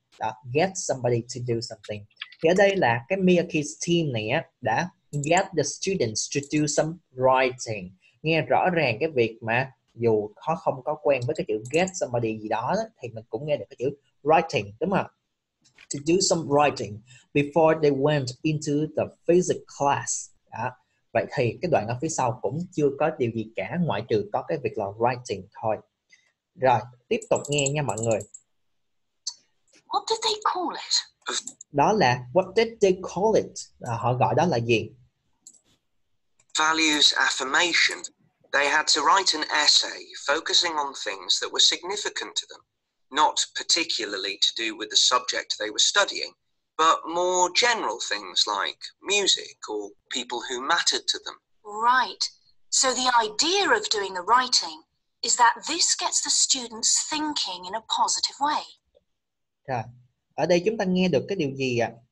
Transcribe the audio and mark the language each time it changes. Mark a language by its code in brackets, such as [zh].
[vi] Đó, [en] get somebody to do something. [vi] Thì ở đây là cái Miyake's team này á, đã [en] get the students to do some writing. [vi] Nghe rõ ràng cái việc mà dù họ không có quen với cái chữ get somebody gì đó, thì mình cũng nghe được cái chữ writing, đúng không? [en] To do some writing before they went into the physics class. [vi] Đó. Vậy thì cái đoạn ở phía sau cũng chưa có điều gì cả, ngoại trừ có cái việc là writing thôi. Rồi, tiếp tục nghe nha mọi người. [en] What did they call it? [vi] Đó là [en] what did they call it? [vi] Họ gọi đó là gì? [en] values affirmation, they had to write an essay focusing on things that were significant to them, not particularly to do with the subject they were studying, but more general things like music or people who mattered to them. Right. So the idea of doing the writing is that this gets the students thinking in a positive way. [vi] Ở đây chúng ta nghe được cái điều gì ạ?